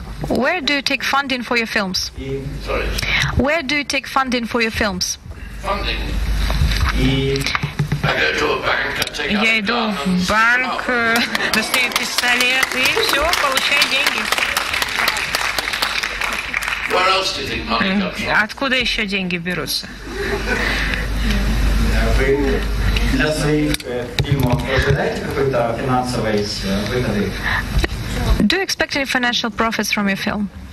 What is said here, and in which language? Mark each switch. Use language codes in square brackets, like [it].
[en] Where do you take funding for your films? Sorry. Where do you take funding for your films? Funding. [ru] Я иду в банк, достаю пистолет и все, получаю деньги. [en] Where else do you think money comes from? [ru] Откуда еще деньги берутся? Для своих фильмов ожидаете какой-то финансовой выгоды? [en] Do you expect any financial profits from your film?